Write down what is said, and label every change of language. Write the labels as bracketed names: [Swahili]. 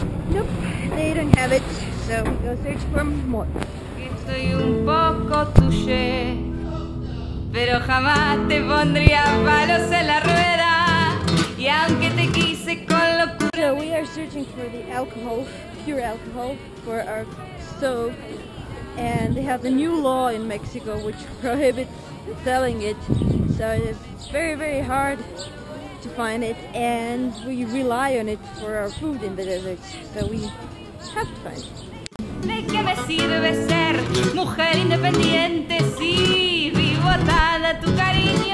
[English] Nope, they don't have it, so we go search for more. [Spanish] Estoy un poco touché, pero jamás te pondría palos en la rueda. Y aunque te quise con locura. [English] So we are searching for the alcohol, pure alcohol, for our stove. And they have a new law in Mexico which prohibits selling it. So it's very, very hard to find it, and we rely on it for our food in the desert, so we have to find it.